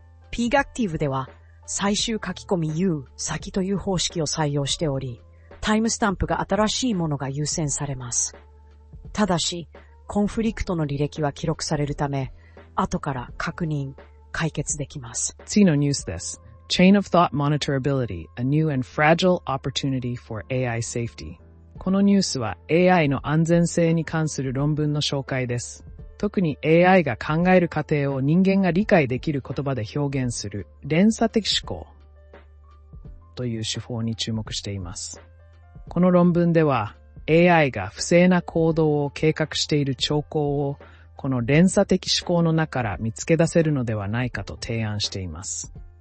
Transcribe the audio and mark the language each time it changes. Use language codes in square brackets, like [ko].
[ja] PGActive では最終書き込み U 先という方式を採用しており、タイムスタンプが新しいものが優先されます。ただし、コンフリクトの履歴は記録されるため、後から確認、解決できます。次のニュースです。 [en] Chain of Thought Monitorability, a new and fragile opportunity for AI safety. [ja] このニュースは AI の安全性に関する論文の紹介です。特に AI が考える過程を人間が理解できる言葉で表現する連鎖的思考という手法に注目しています。この論文では、AI が不正な行動を計画している兆候をこの連鎖的思考の中から見つけ出せるのではないかと提案しています。